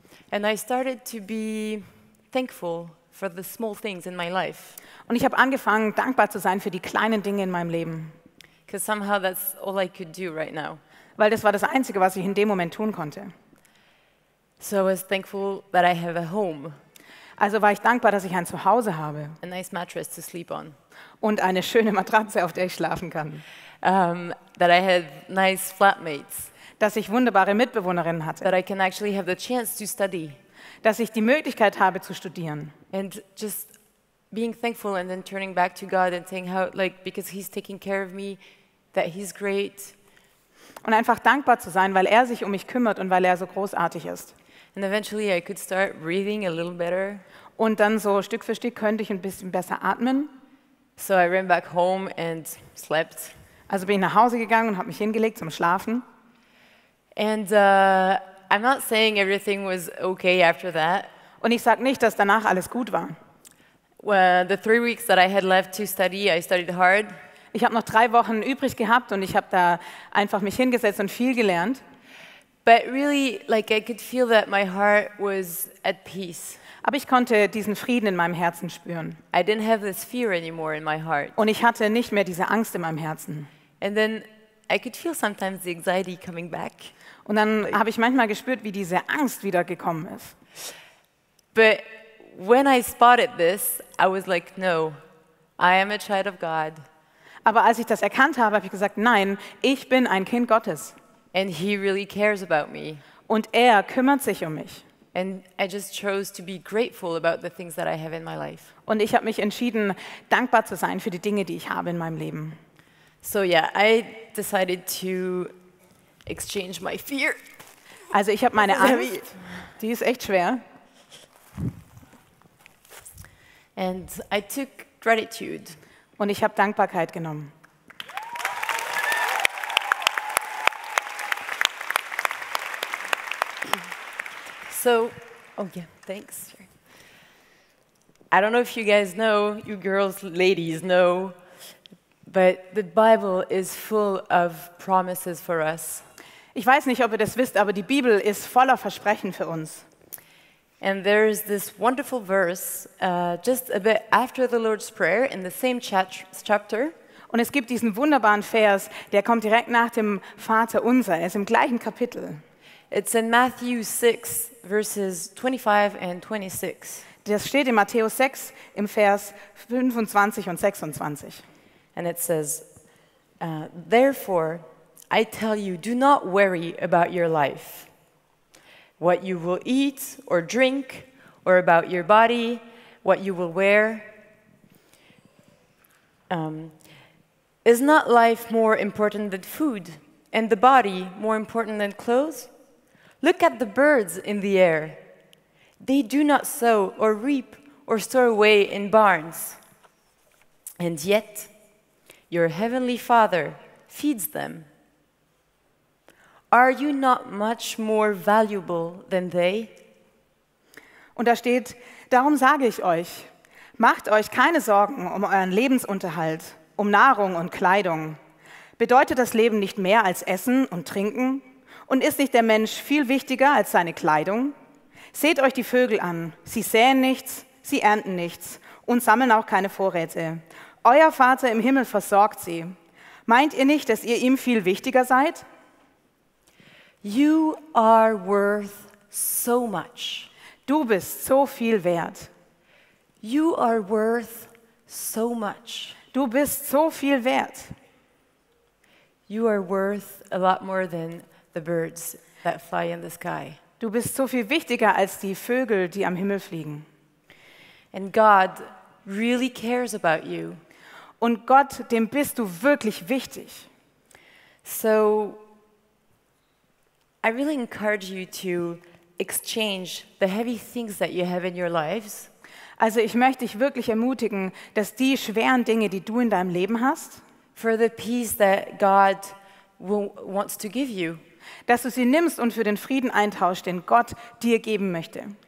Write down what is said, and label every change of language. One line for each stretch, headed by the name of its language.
English: And I started to be thankful for the small things in my life.
German: Und ich habe angefangen, dankbar zu sein für die kleinen Dinge in meinem Leben.
English: Because somehow that's all I could do right now.
German: Weil das war das Einzige, was ich in dem Moment tun konnte.
English: So I was thankful that I have a home.
German: Also war ich dankbar, dass ich ein Zuhause habe.
English: A nice mattress to sleep on.
German: Und eine schöne Matratze, auf der ich schlafen kann.
English: That I had nice flatmates.
German: Dass ich wunderbare Mitbewohnerinnen hatte.
English: That I can actually have the chance to study.
German: Dass ich die Möglichkeit habe zu studieren.
English: And just being thankful and then turning back to God and saying how, like, because he's taking care of me, that he's great.
German: Und einfach dankbar zu sein, weil er sich um mich kümmert und weil er so großartig ist.
English: And eventually I could start breathing a little better.
German: Und dann so Stück für Stück könnte ich ein bisschen besser atmen.
English: So I ran back home and slept.
German: Also bin ich nach Hause gegangen und habe mich hingelegt zum Schlafen.
English: And I'm not saying everything was okay after that.
German: Und ich sag nicht, dass danach alles gut war.
English: Well, the 3 weeks that I had left to study, I studied hard.
German: Ich habe noch 3 Wochen übrig gehabt und ich habe da einfach mich hingesetzt und viel gelernt.
English: But really, like, I could feel that my heart was at peace.
German: Aber ich konnte diesen Frieden in meinem Herzen spüren.
English: I didn't have this fear anymore in my heart.
German: Und ich hatte nicht mehr diese Angst in meinem Herzen.
English: And then I could feel sometimes the anxiety coming back.
German: Und dann habe ich manchmal gespürt, wie diese Angst wieder gekommen ist.
English: But when I spotted this, I was like, no, I am a child of God.
German: Aber als ich das erkannt habe, habe ich gesagt, nein, ich bin ein Kind Gottes.
English: And he really cares about me.
German: Und er kümmert sich um mich.
English: And I just chose to be grateful about the things that I have in my life.
German: Und ich habe mich entschieden, dankbar zu sein für die Dinge, die ich habe in meinem Leben.
English: So yeah, I decided to exchange my fear.
German: Also ich habe meine Angst. Die ist echt schwer.
English: And I took gratitude.
German: Und ich habe Dankbarkeit genommen.
English: So, oh yeah, thanks. I don't know if you guys know, you girls, ladies know, but the Bible is full of promises for us.
German: Ich weiß nicht, ob ihr das wisst, aber die Bibel ist voller Versprechen für uns.
English: And there is this wonderful verse, just a bit after the Lord's Prayer, in the same chapter.
German: Und es gibt diesen wunderbaren Vers, der kommt direkt nach dem Vater Unser. Er ist im gleichen Kapitel.
English: It's in Matthew 6, verses 25 and 26.
German: Das steht in Matthäus 6, im Vers 25 und 26.
English: And it says, therefore, I tell you, do not worry about your life. What you will eat or drink, or about your body, what you will wear. Is not life more important than food, and the body more important than clothes? Look at the birds in the air. They do not sow or reap or store away in barns. And yet, your heavenly Father feeds them. Are you not much more valuable than they?
German: Und da steht, darum sage ich euch, macht euch keine Sorgen um euren Lebensunterhalt, um Nahrung und Kleidung. Bedeutet das Leben nicht mehr als Essen und Trinken? Und ist nicht der Mensch viel wichtiger als seine Kleidung? Seht euch die Vögel an, sie säen nichts, sie ernten nichts und sammeln auch keine Vorräte. Euer Vater im Himmel versorgt sie. Meint ihr nicht, dass ihr ihm viel wichtiger seid?
English: You are worth so much.
German: Du bist so viel wert.
English: You are worth so much.
German: Du bist so viel wert.
English: You are worth a lot more than the birds that fly in the sky.
German: Du bist so viel wichtiger als die Vögel, die am Himmel fliegen.
English: And God really cares about you.
German: Und Gott, dem bist du wirklich wichtig.
English: So I really encourage you to exchange the heavy things that you have in your lives.
German: Also ich möchte dich wirklich ermutigen, dass die schweren Dinge, die du in deinem Leben hast,
English: for the peace that God wants to give you,
German: dass du sie nimmst und für den Frieden eintauschst, den Gott dir geben möchte.